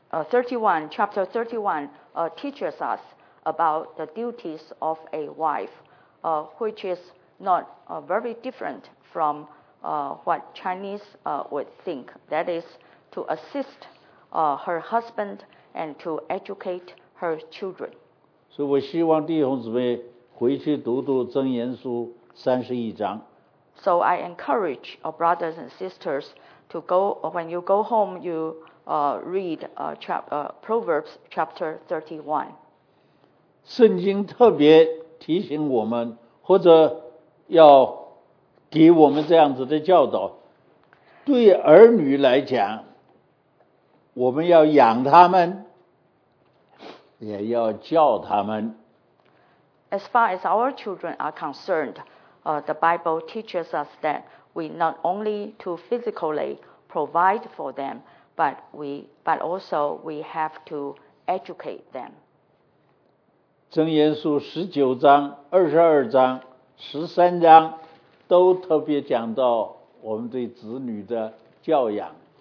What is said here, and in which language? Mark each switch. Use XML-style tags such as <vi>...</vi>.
<en>31 teaches us about the duties of a wife, which is not very different from what Chinese would think. That is to assist her husband and to educate her children.</en> <zh>所以我希望弟兄姊妹回去读读箴言书三十一章。</zh> <en>So I encourage our brothers and sisters to go, when you go home, you read Proverbs chapter 31.</en> <zh>圣经特别提醒我们，或者要给我们这样子的教导，对儿女来讲，我们要养他们，也要教他们。</zh> <en>As far as our children are concerned, the Bible teaches us that we not only to physically provide for them, but also we have to educate them.</en> <zh>箴言书十九章、二十二章、十三章都特别讲到我们对子女的教养。</zh>